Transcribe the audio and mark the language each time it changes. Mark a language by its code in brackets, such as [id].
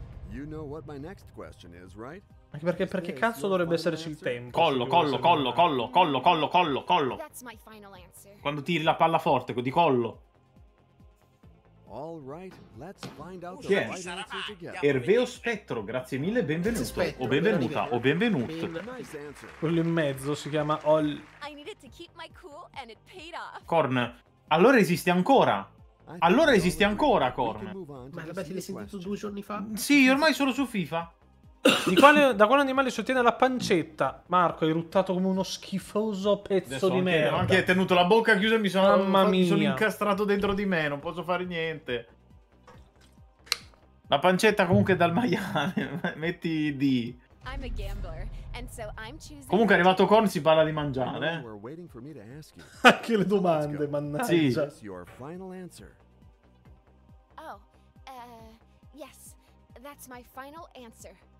[en] You know what my next question is, right? [it] Anche perché cazzo dovrebbe esserci il tempo? Collo. [en] That's my final answer. [it] Quando tiri la palla forte, di collo. [en] All right, let's find out. [it] Chi è? Hervé o Spettro, grazie mille, benvenuto. Spettro, o benvenuta, o benvenuto. Quello in mezzo si chiama All. [en] I needed to keep my cool and it paid off. [it] Korn, allora esisti ancora? Allora esisti ancora, Korn? Ma l'hai sentito due giorni fa? Sì, ormai solo su FIFA. Da quale animale si ottiene la pancetta? Marco, hai ruttato come uno schifoso pezzo di merda. Ho anche tenuto la bocca chiusa e mi sono, incastrato dentro di me, non posso fare niente. La pancetta comunque è dal maiale, metti di... [en] I'm a gambler, and so I'm choosing... [it] Comunque è arrivato Korn, si parla di mangiare. Anche le domande, mannaggia. [en] Sì. Your final answer. Oh, yes, that's my final answer.